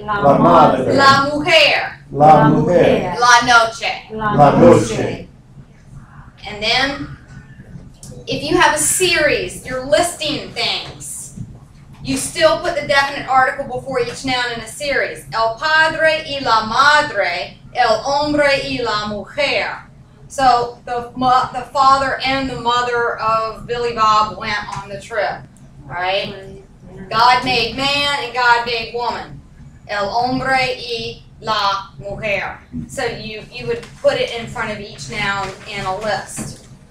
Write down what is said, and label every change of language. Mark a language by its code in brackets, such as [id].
[es] La madre. La mujer. La mujer. La noche. La noche. [en] And then, if you have a series, you're listing things, you still put the definite article before each noun in a series. [es] El padre y la madre, el hombre y la mujer. [en] So, the father and the mother of Billy Bob went on the trip, all right? God made man and God made woman. [es] El hombre y la mujer. [en] So you would put it in front of each noun in a list.